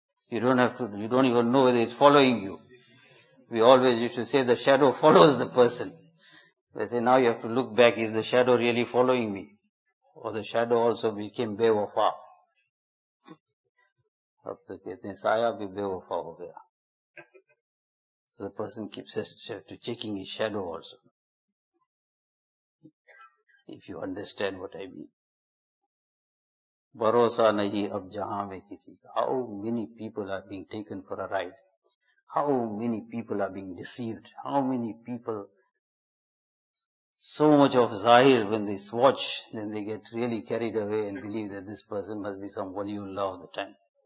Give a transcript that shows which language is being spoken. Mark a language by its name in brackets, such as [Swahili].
[English] You don't even know whether it's following you. We always used to say the shadow follows the person. They say now you have to look back, is the shadow really following me? Or the shadow also became بے وفا. [Urdu] اب تو کہتے ہیں سایہ بھی بے وفا ہو گیا. [English] So the person keeps to checking his shadow also. If you understand what I mean. [Urdu] بھروسہ نہیں اب جہاں میں کسی کا. [English] How many people are being taken for a ride? How many people are being deceived? How many people, so much of zahir, when they watch, then they get really carried away and believe that this person must be some waliullah of the time.